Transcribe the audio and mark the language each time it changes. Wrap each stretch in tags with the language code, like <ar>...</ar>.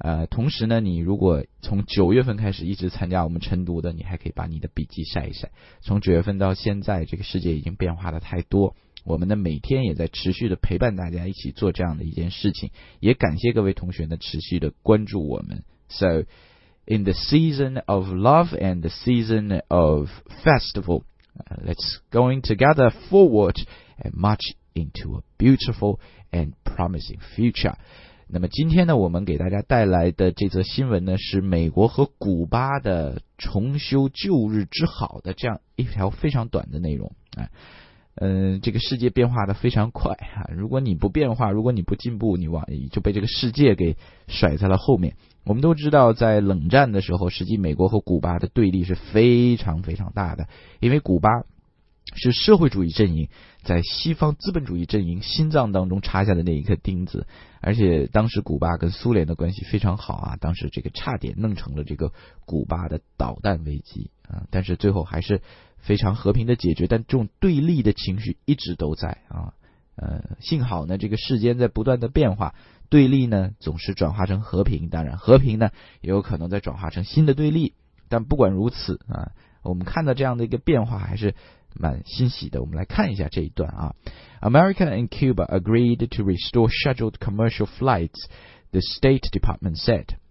<zh>同时呢，你如果从九月份开始一直参加我们晨读的，你还可以把你的笔记晒一晒。从九月份到现在，这个世界已经变化的太多，我们的每天也在持续的陪伴大家一起做这样的一件事情，也感谢各位同学的持续的关注我们。</zh> <en>So in the season of love and the season of festival, let's going together forward and march into a beautiful and promising future.</en> <zh>那么今天呢，我们给大家带来的这则新闻呢，是美国和古巴的重修旧日之好的这样一条非常短的内容。这个世界变化的非常快啊，如果你不变化，如果你不进步，你往就被这个世界给甩在了后面。我们都知道在冷战的时候，实际美国和古巴的对立是非常非常大的，因为古巴是社会主义阵营在西方资本主义阵营心脏当中插下的那一颗钉子，而且当时古巴跟苏联的关系非常好啊，当时这个差点弄成了这个古巴的导弹危机啊，但是最后还是非常和平的解决，但这种对立的情绪一直都在啊。幸好呢，这个世间在不断的变化，对立呢总是转化成和平，当然和平呢也有可能再转化成新的对立，但不管如此啊，我们看到这样的一个变化还是蛮欣喜的。我们来看一下这一段啊。</zh> <en>America and Cuba agreed to restore scheduled commercial flights, the State Department said.</en>